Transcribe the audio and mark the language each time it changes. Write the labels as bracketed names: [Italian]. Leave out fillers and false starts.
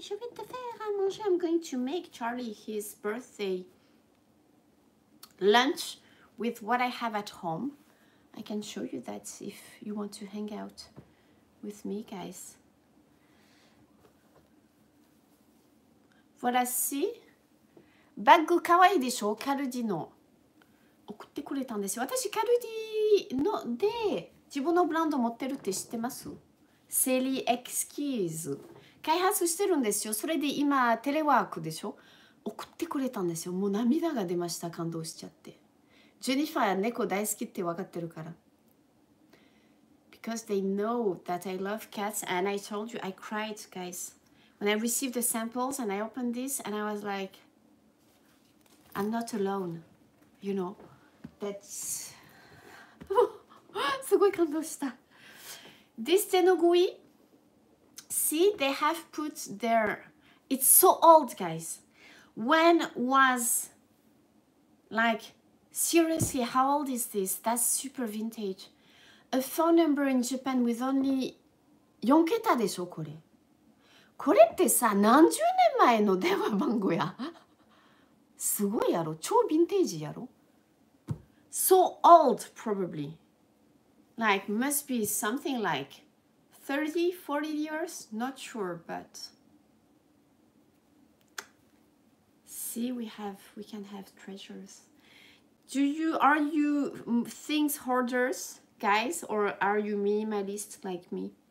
[French] Je vais te faire à manger. [English] I'm going to make Charlie his birthday lunch with what I have at home. I can show you that if you want to hang out with me, guys. [French] Voilà, si. [Japanese] バッグかわいいでしょ、カルディの。送ってくれたんですよ。私、カルディので自分のブランド持ってるって知ってます？セリエクスキーズ。開発してるんですよ。それで今、テレワークでしょ。送ってくれたんですよ。もう涙が出ました。感動しちゃって。ジェニファーは猫大好きって分かってるから。 [English] Because they know that I love cats and I told you I cried, guys. When I received the samples and I opened this and I was like,I'm not alone, you know. That's... [Japanese] すごい感動した。 [English] This Tenugui, see, they have put their... It's so old, guys. When was... Like, seriously, how old is this? That's super vintage. A phone number in Japan with only... [Japanese] 4桁でしょ、これ。これってさ、何十年前の電話番号や。すごいやろ、超ヴィンテージやろ。 [English] So old probably. Like must be something like 30, 40 years, not sure, but see, we can have treasures. Do you, are you things hoarders, guys, or are you minimalist like me?